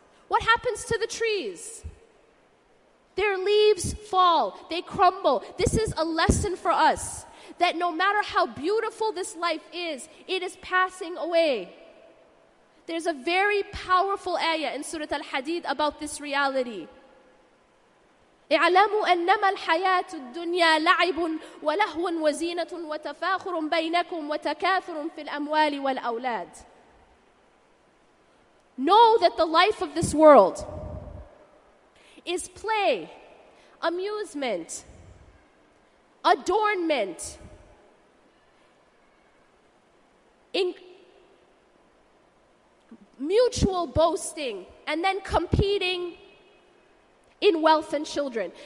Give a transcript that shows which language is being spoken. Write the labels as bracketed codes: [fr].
[en] What happens to the trees? Their leaves fall. They crumble. This is a lesson for us. That no matter how beautiful this life is, it is passing away. There's a very powerful ayah in Surah Al-Hadid about this reality. [ar] اعلموا أنما الحياة الدنيا لعب ولهو وزينة وتفاخر بينكم وتكاثر في الأموال والأولاد. [en] Know that the life of this world is play, amusement, adornment, mutual boasting, and then competing in wealth and children.